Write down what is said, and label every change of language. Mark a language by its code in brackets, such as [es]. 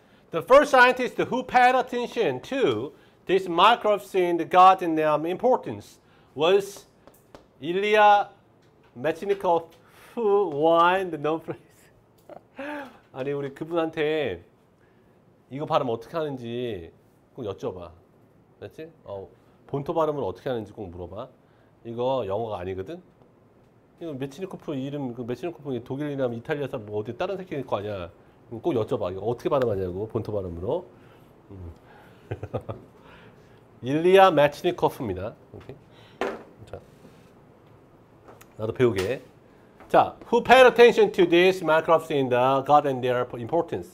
[en] The first scientist who paid attention to these microbes in the gut and their importance was Ilya Metchnikov, who won the Nobel. [ko] 아니 우리 그분한테 이거 발음 어떻게 하는지 꼭 여쭤봐. 알았지? 본토 발음을 어떻게 하는지 꼭 물어봐. 이거 영어가 아니거든. 이거 메치니코프 이름, 그 메치니코프 독일이나 이탈리아 사람 뭐 어디 다른 새끼일 거 아니야. 꼭 여쭤봐. 이거 어떻게 발음하냐고, 본토 발음으로. 일리아 메치니코프입니다. 오케이. 자. 나도 배우게. [en] 자, who paid attention to these microbes in the gut and their importance?